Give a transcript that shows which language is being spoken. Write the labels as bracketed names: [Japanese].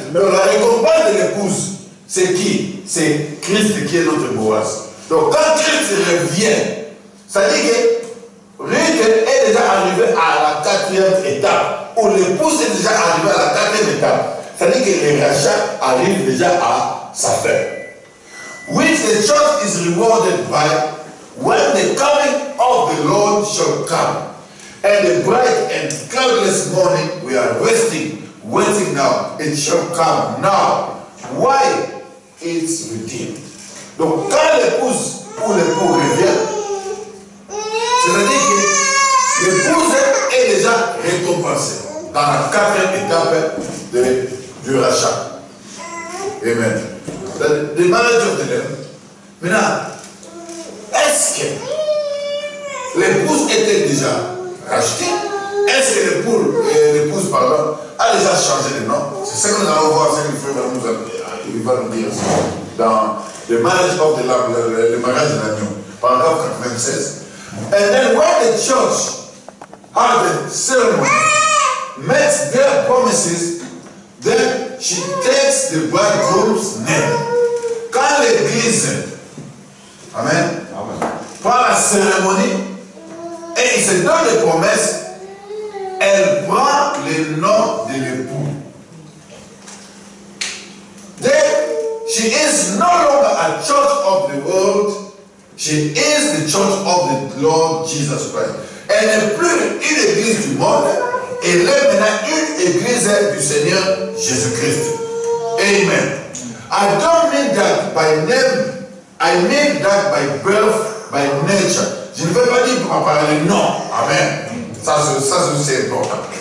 [French] Mais la récompense de l'épouse, c'est qui? C'est Christ qui est notre Boaz. Donc quand Christ revient, ça dit que Ruth est déjà arrivée à la 4e étape. Ou l'épouse est déjà arrivée à la 4e étape. Ça dit que le rachat arrive déjà à sa fin. [English] Which the church is rewarded by when the coming of the Lord shall come. And the bright and cloudless morning we are waiting now. It shall come now. Why? It's redeemed. [French] Donc quand l'épouse ou l'époux revient, c'est-à-dire que l'épouse est déjà récompensée dans la 4e étape du rachat. Amen. [English] The marriage of the Lamb. [French] Maintenant, est-ce que l'épouse était déjà rachetée? Est-ce que l'épouse pardon, a déjà changé de nom? C'est ce que nous allons voir, c'est que le frère va nous dire ça. Dans le mariage [English] of the Lamb, [French] le mariage de l'agneau, paragraphe 96. [English] And then when the church had the ceremony, makes their promises, then she takes the bridegroom's name. [French] Quand l'église, amen, par la cérémonie, et il se donne les promesses, elle prend le nom de l'époux. [English] Then she is no longer a church of the world. She is the church of the Lord Jesus Christ. [French] Elle n'est plus une église du monde. Elle est maintenant une église du Seigneur Jésus Christ. Amen. [English] I don't mean that by name. I mean that by birth, by nature. [French] Je ne veux pas dire par le nom. Amen. Ça c'est important.